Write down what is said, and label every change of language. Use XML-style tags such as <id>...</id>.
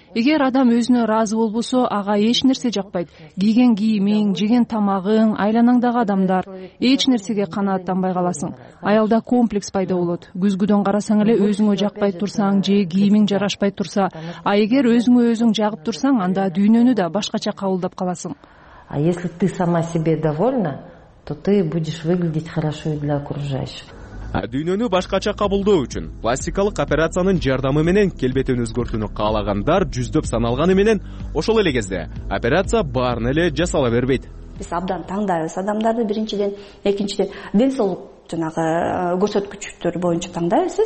<ky>Эгер адам өзүнө разы болбосо, ага эч нерсе жакпайт. Кийген кийимиң, жеген тамагың, айланаңдагы адамдар эч нерсеге канааттанбай каласың. Аялда комплекс пайда болот. Күзгүдөн карасаң эле өзүңө жакпай турсаң, же кийимиң жарашпай турса, а эгер өзүңө өзүң жагып турсаң, анда дүйнөнү да башкача кабылдап каласың.</ky> <ru>А если ты сама себе довольна, то ты будешь выглядеть хорошо для окружающих.</ru> <ky>Дүйнөнү башкача кабылдоо үчүн пластикалык операциянын жардамы менен келбетин өзгөртүүнү каалагандар жүздөп саналганы менен ошол эле кезде операция баарын эле жасала бербейт. Биз абдан таңдайбыз адамдарды, биринчиден, экинчиден ден соолук жанагы көрсөткүчтөр боюнча таңдайбыз.</ky>